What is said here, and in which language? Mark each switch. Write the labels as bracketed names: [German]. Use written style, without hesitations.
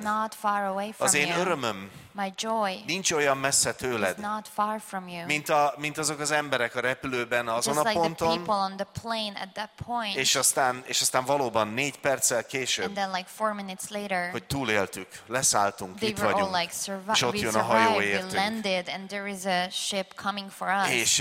[English] It's not far away from [Hungarian] az én [English] you. [Hungarian] Örömöm. [English] My joy. [Hungarian] Nincs olyan messze tőled. [English] It's not far from you. [Hungarian] Mint azok az emberek a repülőben azon [English] just Like the people on the plane at that point. [Hungarian] És aztán valóban 4 perccel később. [English] And then like 4 minutes later. [Hungarian] Hogy túléltük, leszálltunk, itt vagyunk. [English] They were all like [Hungarian] jön a hajó értünk. [English] We landed and there is a ship coming for us.